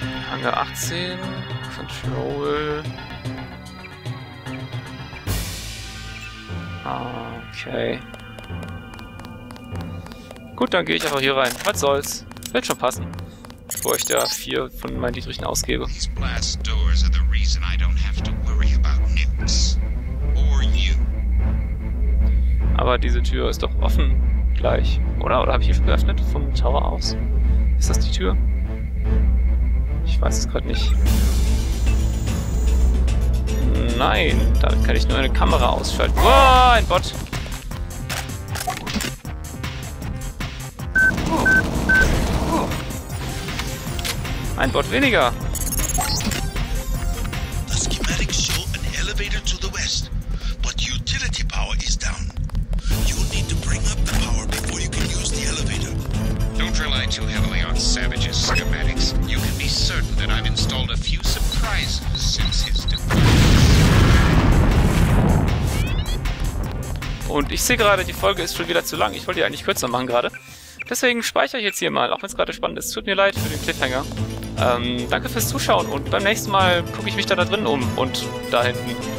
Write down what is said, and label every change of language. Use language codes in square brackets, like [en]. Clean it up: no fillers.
[en] Hangar 18, Control. Okay. [de] Gut, dann gehe ich einfach hier rein. Was soll's? Wird schon passen. Bevor ich da 4 von meinen Dietrichen ausgebe. [en] These blast doors are the reason I don't have to worry about Nix. Or you. [de] Aber diese Tür ist doch offen gleich, oder? Oder habe ich hier schon geöffnet? Vom Tower aus? Ist das die Tür? Ich weiß es gerade nicht. Nein, damit kann ich nur eine Kamera ausschalten. Wow, ein Bot! Ein Bot weniger! [en] The schematics show an elevator to the west, but utility power is down. You'll need to bring up the power before you can use the elevator. Don't rely too heavily on Savage's schematics. You can be certain that I've installed a few surprises since his departure. [de] Und ich sehe gerade, die Folge ist schon wieder zu lang. Ich wollte die eigentlich kürzer machen gerade. Deswegen speichere ich jetzt hier mal, auch wenn es gerade spannend ist. Tut mir leid für den Cliffhanger. Danke fürs Zuschauen und beim nächsten Mal gucke ich mich da drin um und da hinten.